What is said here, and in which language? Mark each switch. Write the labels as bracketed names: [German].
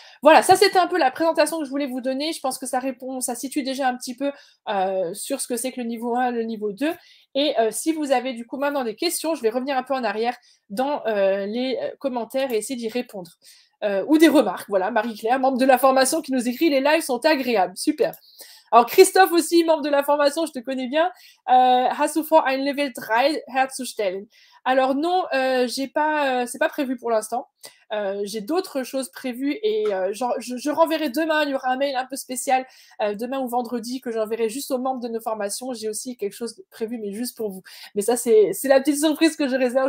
[French] Voilà, ça c'était un peu la présentation que je voulais vous donner. Je pense que ça répond, ça situe déjà un petit peu sur ce que c'est que le niveau 1, le niveau 2. Et si vous avez du coup maintenant des questions, je vais revenir un peu en arrière dans les commentaires et essayer d'y répondre. Ou des remarques. Voilà, Marie-Claire, membre de la formation qui nous écrit, les lives sont agréables. Super. Alors Christophe aussi, membre de la formation, je te connais bien. [German] Hast du vor, ein Level 3 herzustellen? [French] Alors non, j'ai pas, c'est pas prévu pour l'instant. J'ai d'autres choses prévues et je renverrai demain. Il y aura un mail un peu spécial demain ou vendredi que j'enverrai juste aux membres de nos formations. J'ai aussi quelque chose de prévu, mais juste pour vous. Mais ça, c'est la petite surprise que je réserve.